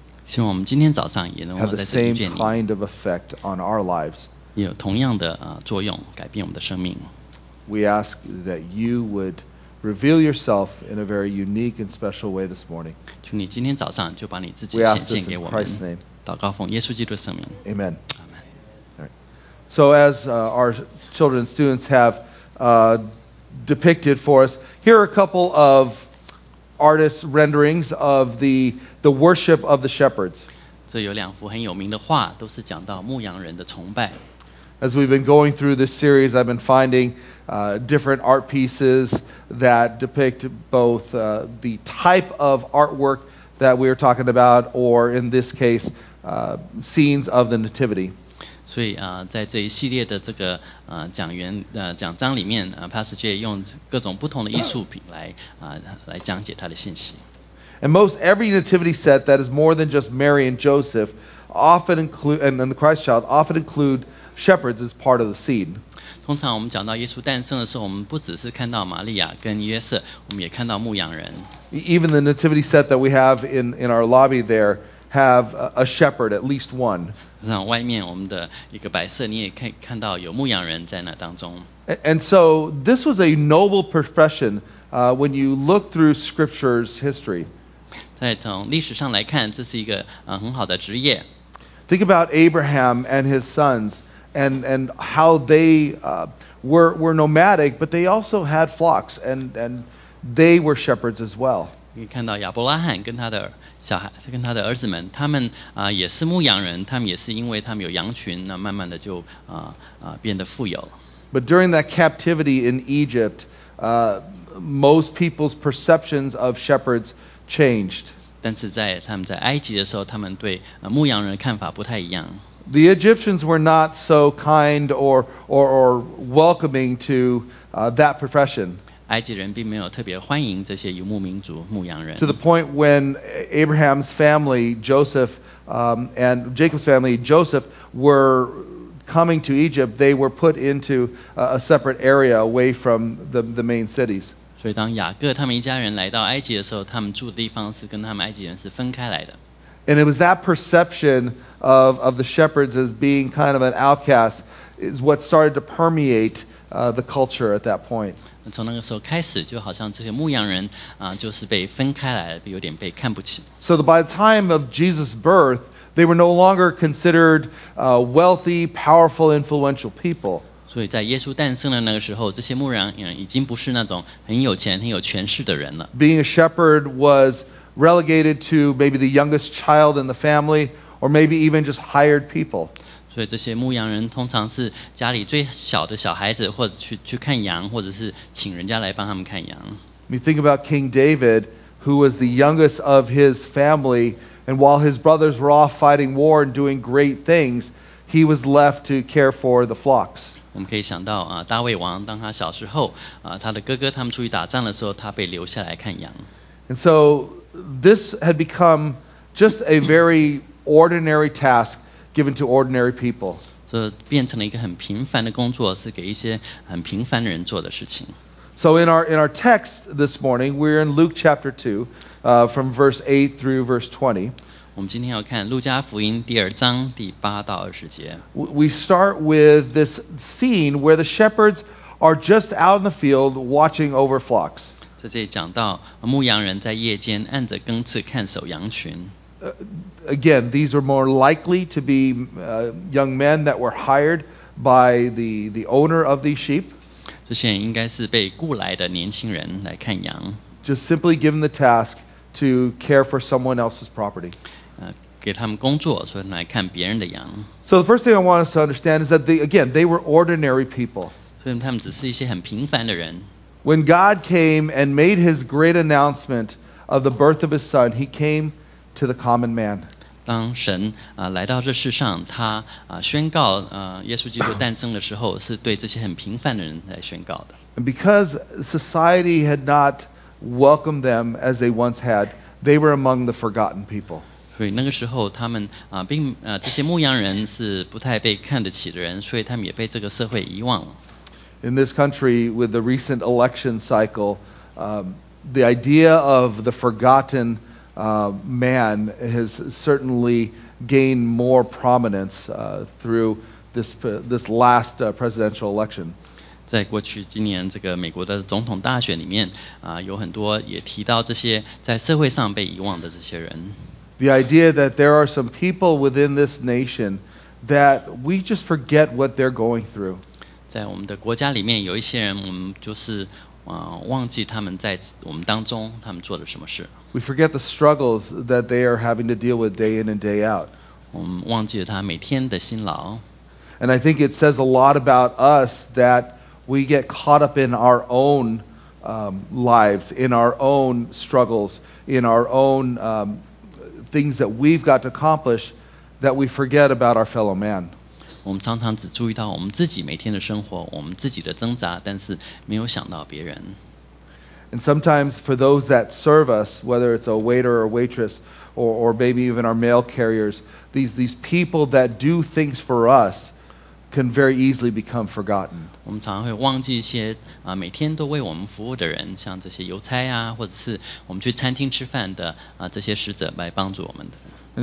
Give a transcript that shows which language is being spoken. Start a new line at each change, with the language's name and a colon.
Chinese: 希望我们今天早上也能够在这里见你
English: have the same kind of effect on our lives
Chinese: 也有同样的作用改变我们的生命
English: We ask that you would reveal yourself in a very unique and special way this morning
Chinese: 求你今天早上就把你自己显现给我们
English: We ask this in Christ's name
Chinese: 祷告奉耶稣基督的圣名
English: Amen, Amen. Right. So as our children and students have depicted for us here are a couple ofartist renderings of the worship of the shepherds.
Chinese: 这有两幅很有名的画，都是讲到牧羊人的崇拜。
English: As we've been going through this series, I've been finding different art pieces that depict both the type of artwork that we are talking about, or in this case, scenes of the nativity.
Chinese: 所以在这一系列的这个讲章里面Pastor Jay用各种不同的艺术品来讲解他的信息。
English: And most every nativity set that is more than just Mary and Joseph often include and the Christ child often include shepherds as part of the scene.
Chinese: 通常我们讲到耶稣诞生的时候，我们不只是看到玛利亚跟约瑟，我们也看到牧羊人。
English: Even the nativity set that we have in our lobby there. Have a shepherd, at least one.
Chinese: 让外面我们的一个摆设，你也可以看到有牧羊人在那当中。
English: And so this was a noble profession when you look through Scripture's history.
Chinese: 再从历史上来看，这是一个很好的职业。
English: Think about Abraham and his sons, and how they were nomadic, but they also had flocks, and they were shepherds as well.
Chinese: 你看到亚伯拉罕跟他的小孩，他跟他的儿子们，他们也是牧羊人，他们也是因为他们有羊群，那慢慢的就变得富有了。
English: But during that captivity in Egypt, most people's perceptions of shepherds changed.
Chinese: 但是在他们在埃及的时候，他们对牧羊人的看法不太一样。
English: The Egyptians were not so kind or welcoming to that profession.
Chinese: 埃及人并没有特别欢迎这些游牧民族牧羊人。
English: To the point when Abraham's family, Joseph, and Jacob's family, Joseph, were coming to Egypt, they were put into a separate area away from the main cities.
Chinese: 所以当雅各他们一家人来到埃及的时候，他们住的地方是跟他们埃及人是分开来的。
English: And it was that perception of the shepherds as being kind of an outcast is what started to permeate the culture at that point.
Chinese: 从那个时候开始，就好像这些牧羊人就是被分开来了，有点被看不起。
English: So by the time of Jesus' birth, they were no longer considered wealthy, powerful, influential people.
Chinese: 所以在耶稣诞生的那个时候，这些牧羊人已经不是那种很有钱、很有权势的人了。
English: Being a shepherd was relegated to maybe the youngest child in the family, or maybe even just hired people.
Chinese: 所以这些牧羊人通常是家里最小的小孩子，或者去看羊，或者是请人家来帮他们看羊。
English: You think about King David, who was the youngest of his family, and while his brothers were off fighting war and doing great things, he was left to care for the flocks.
Chinese: 我们可以想到大卫王当他小时候他的哥哥他们出去打仗的时候，他被留下来看羊。
English: And so this had become just a very ordinary task given to ordinary people.
Chinese: 这变成了一个很平凡的工作，是给一些很平凡的人做的事情。
English: So in our text this morning, we're in Luke chapter 2, from verse 8 through verse 20.
Chinese: 我们今天要看路加福音第二章第八到二十节。
English: We start with this scene where the shepherds are just out in the field watching over flocks.
Chinese: 在这里讲到牧羊人在夜间按着更次看守羊群。
English: Again, these are more likely to be young men that were hired by the owner of these sheep.
Chinese: 这些应该是被雇来的年轻人来看羊。
English: Just simply given the task to care for someone else's property.
Chinese: 给他们工作，所以来看别人的羊。
English: So the first thing I want us to understand is that they were ordinary people.
Chinese: 所以他们只是一些很平凡的人。
English: When God came and made his great announcement of the birth of his son, he came to the common man.
Chinese: 当神来到这世上，他宣告耶稣基督诞生的时候，是对这些很平凡的人来宣告的。
English: And because society had not welcomed them as they once had, they were among the forgotten people.
Chinese: 所以那个时候他们这些牧羊人是不太被看得起的人，所以他们也被这个社会遗忘了。
English: In this country, with the recent election cycle, the idea of the forgotten man has certainly gained more prominence through this last presidential election.
Chinese: 在过去今年这个美国的总统大选里面，有很多也提到这些在社会上被遗忘的这些人。
English: The idea that there are some people within this nation that we just forget what they're going through.
Chinese: 在我们的国家里面有一些人，我们就是忘记他们在我们当中他们做了什么事。
English: We forget the struggles that they are having to deal with day in and day out.
Chinese: 我们忘记了他每天的辛劳。
English: And I think it says a lot about us that we get caught up in our own lives, in our own struggles, in our own things that we've got to accomplish that we forget about our fellow man.
Chinese: 我们常常只注意到我们自己每天的生活，我们自己的挣扎，但是没有想到别人。
English: And sometimes for those that serve us, whether it's a waiter or a waitress, or maybe even our mail carriers, these people that do things for us can very easily become forgotten.
Chinese: 我们常常会忘记一些每天都为我们服务的人，像这些邮差啊，或者是我们去餐厅吃饭的这些使者来帮助我们的。